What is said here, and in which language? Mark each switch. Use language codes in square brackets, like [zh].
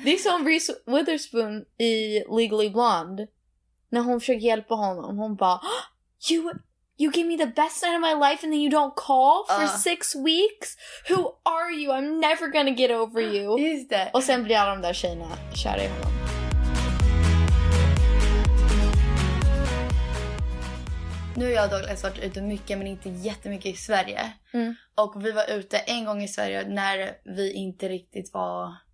[sv] Det är som Reese Witherspoon i Legally Blonde. När hon försöker hjälpa honom. Hon bara, [en] you gave me the best night of my life and then you don't call for 6 weeks? Who are you? I'm never gonna get over you. [sv] Just det. Och sen blir alla de där tjejerna kär i honom. Nu har jag och Douglas varit ute mycket, men inte jättemycket i Sverige. Mm. Och vi var ute en gång i Sverige när vi inte riktigt var...